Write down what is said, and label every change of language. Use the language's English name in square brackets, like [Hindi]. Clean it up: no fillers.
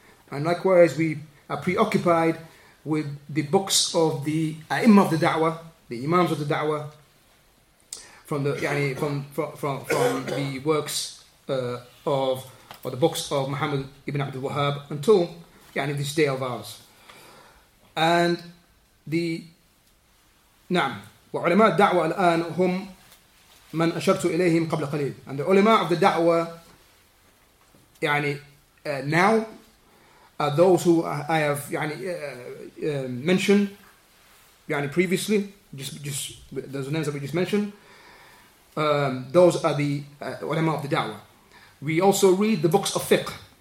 [English] And likewise, we are preoccupied with the books of the أَئِمَّةِ of the da'wah, the imams of the da'wah, from the works of, or the books of Muhammad ibn Abdul Wahhab until this day of ours. And the [Arabic] نعم وعلماء الدعوة الآن هم من أشرت إليهم قبل قليل. [English] And the ulama of the da'wa now are those who I have mentioned previously, just those names that we just mentioned. Those are the ulama of the da'wa. We also read the books of fiqh.